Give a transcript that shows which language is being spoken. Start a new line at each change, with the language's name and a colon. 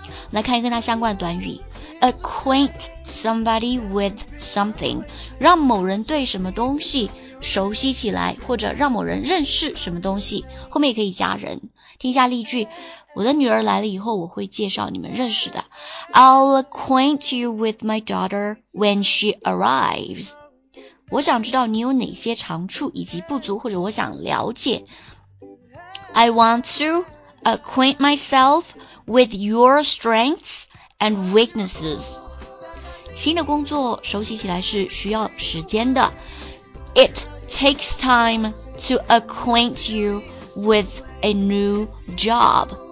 Chinese: 来看一个跟它相关的短语。 Acquaint somebody with something, 让某人对什么东西熟悉起来，或者让某人认识什么东西，后面也可以加人。听一下例句，我的女儿来了以后，我会介绍你们认识的。
English: I'll acquaint you with my daughter when she arrives.
Chinese: 我想知道你有哪些长处以及不足，或者我想了解。
English: I want to acquaint myself with your strengths,and weaknesses.
Chinese: 新的工作熟悉起来是需要时间的。
English: It takes time to acquaint you with a new job.